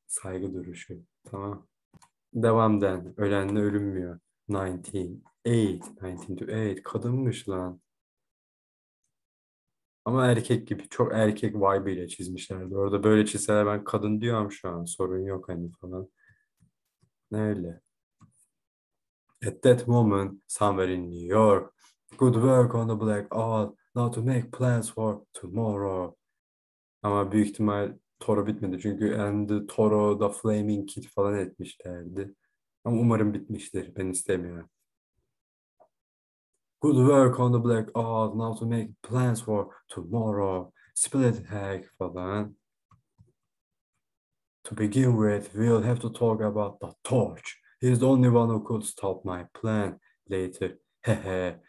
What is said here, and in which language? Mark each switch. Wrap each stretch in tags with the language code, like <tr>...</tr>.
<tr>Saygı duruşu. Tamam. Devam den. Ölenle ölünmüyor. 19.8. Kadınmış lan. Ama erkek gibi. Çok erkek vibe ile çizmişlerdi. Orada böyle çizseler ben kadın diyorum şu an. Sorun yok hani falan. Ne öyle?</tr> <en>At that moment, somewhere in New York. Good work on the black owl. Now to make plans for tomorrow.</en> <tr>Ama büyük ihtimal Toro bitmedi çünkü and Toro da Flaming Kid falan etmişlerdi. Ama umarım bitmiştir. Ben istemiyorum.</tr> <en>Good work on the blackout. Now to make plans for tomorrow. Split hack</en> <tr>falan.</tr> <en>Begin with, we'll have to talk about the torch. He's the only one who could stop my plan later. Hehe.</en>